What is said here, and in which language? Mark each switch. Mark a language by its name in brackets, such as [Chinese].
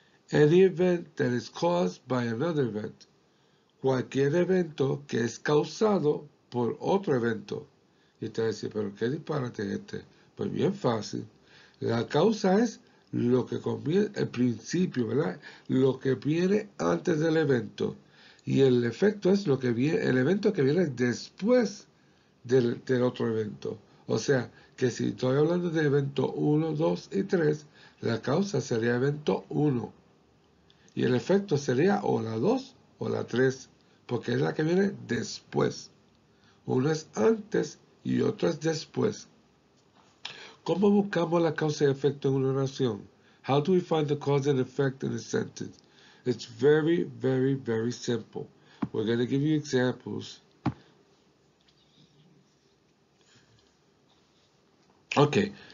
[English] Any event that is caused by another event. [Spanish] Cualquier evento que es causado por otro evento. Y usted dice, pero qué disparate es este. Pues bien fácil. La causa es lo que conviene, el principio, ¿verdad? Lo que viene antes del evento. Y el efecto es lo que viene, el evento que viene después del otro evento. O sea, que si estoy hablando de evento 1, 2 y 3, la causa sería evento 1. Y el efecto sería o la 2 o la 3, porque es la que viene después. Uno es antes y otro es después. ¿Cómo buscamos la causa y efecto en una oración? [English] How do we find the cause and effect in a sentence? It's very, very, very simple. We're going to give you examples. Okay.